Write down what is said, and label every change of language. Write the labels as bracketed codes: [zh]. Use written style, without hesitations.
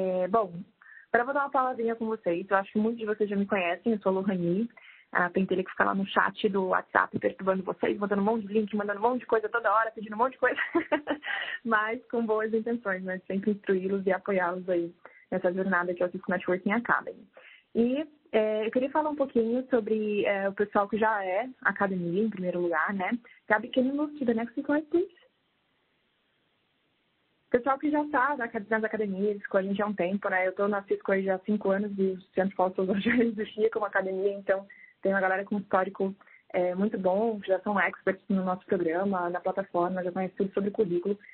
[pt] Bom, para eu dar uma palavrinha com vocês, eu acho que muitos de vocês já me conhecem, eu sou a Lohani, a pentelha que fica lá no chat do WhatsApp perturbando vocês, mandando um monte de link, mandando um monte de coisa toda hora, pedindo um monte de coisa, mas com boas intenções, né? Sempre instruí-los e apoiá-los aí nessa jornada que é o Cisco Networking Academy. E eu queria falar um pouquinho sobre o pessoal que já é academia, em primeiro lugar, né? [en] Gabi, can you move to the next slide, please? [pt] Pessoal que já está nas academias, com a gente há um tempo, né? Eu estou na Cisco aí já há 5 anos e o Centro Paula Souza já existia como academia, então tem uma galera com um histórico muito bom, já são experts no nosso programa, na plataforma, já conhecem tudo sobre currículo.